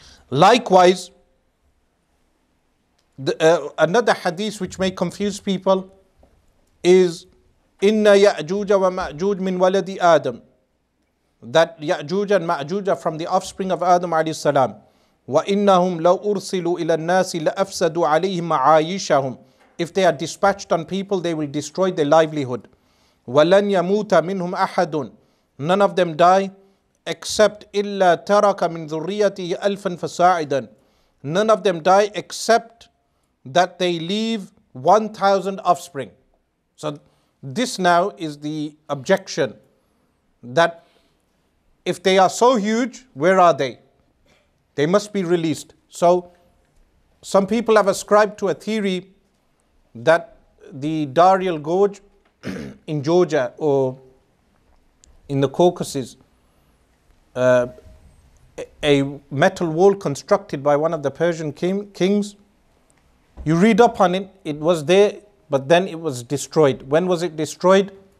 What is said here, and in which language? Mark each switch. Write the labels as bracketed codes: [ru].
[en] Likewise, another hadith which may confuse people is, [ar] إِنَّ يَأْجُوجَ وَمَأْجُوجَ مِنْ وَلَدِ آدَمْ, [en] that Ya'juj and Ma'juj are from the offspring of Adam alayhi salam. [ar] وَإِنَّهُمْ لَوْ أُرْسِلُوا إِلَى النَّاسِ لَأَفْسَدُوا عَلَيْهِمْ مَعَايِشَهُمْ. [en] If they are dispatched on people, they will destroy their livelihood. [ar] وَلَنْ يَمُوتَ مِنْهُمْ أَحَدٌ. [en] None of them die except [ar] إِلَّا تَرَكَ مِنْ ذُرِّيَّتِهِ أَلْفًا فَسَاعِدًا. [en] None of them die except that they leave 1,000 offspring. So this now is the objection, that if they are so huge, where are they? They must be released. So some people have ascribed to a theory that the Daryal Gorge in Georgia or in the Caucasus, a metal wall constructed by one of the Persian kings, you read up on it, it was there, but then it was destroyed. When was it destroyed?